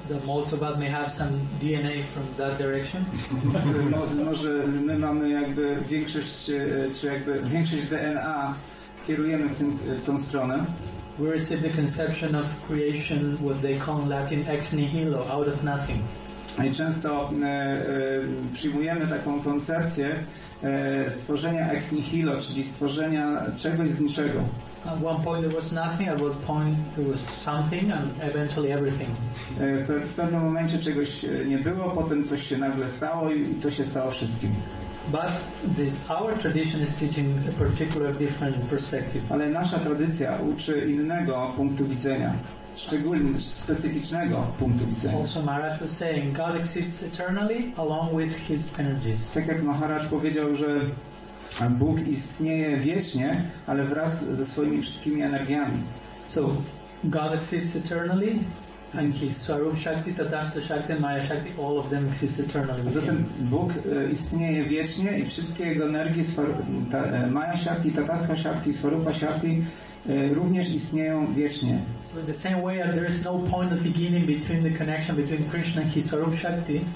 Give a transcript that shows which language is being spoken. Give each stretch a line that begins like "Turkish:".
English: That most of us may have some DNA from that direction.
Polish: Może my mamy jakby większość, czy jakby większość DNA kierujemy w tą stronę.
English: We receive the conception of creation, what they call in Latin ex nihilo, out of nothing.
Polish: I często przyjmujemy taką koncepcję stworzenia ex nihilo, czyli stworzenia czegoś z niczego.
English: At one point there was nothing, at one point there was something, and eventually everything.
Polish: W pewnym momencie czegoś nie było, potem coś się nagle stało i to się stało wszystkim.
English: But our tradition is teaching a particular different perspective.
Polish: Ale nasza tradycja uczy innego punktu widzenia. Szczególnie specyficznego punktu widzenia.
English: Also Maharaj was saying God exists eternally along with his energies.
Polish: Tak jak Maharaj powiedział, że Bóg istnieje wiecznie, ale wraz ze swoimi wszystkimi energiami.
English: So God exists eternally and his Swarup Shakti, Tathagata Shakti, Maya Shakti, all of them exist eternally.
Polish: Zatem Bóg istnieje wiecznie i wszystkie jego energie, Maya Shakti, Tathagata Shakti, Swarupa Shakti, również istnieją wiecznie.
English: So in the same way there is no point of beginning between the connection between Krishna and his Swarup Shakti.